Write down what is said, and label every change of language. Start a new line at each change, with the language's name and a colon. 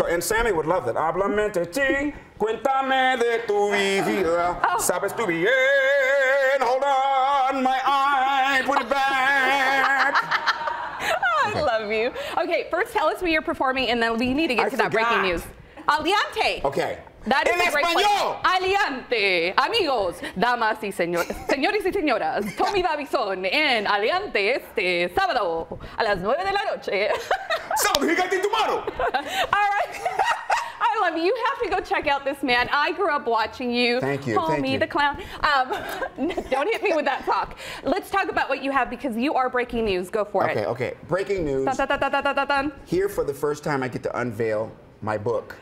English: Yes, and Sammy would love that.
Spanish: Háblame de ti, cuéntame de tu vida. Sabes tu bien.
English: Hold on, my eye. Put it back. I love you. Okay, first tell us where you're performing, and then we need to get to that breaking news. Aliante. Okay. That is
Spanish: en español. Right Aliante, amigos, damas y señores, señores y señoras, Tommy Davidson en Aliante este sábado a las 9 de la noche. Sábado, gigante tomorrow.
English: All right. I love you. You have to go check out this man. I grew up watching you. Thank you. Call me you. The clown. Don't hit me with that talk. Let's talk about what you have because you are breaking news. Go for it. Okay. Breaking news. Dun. Here for the first time, I get to unveil my book.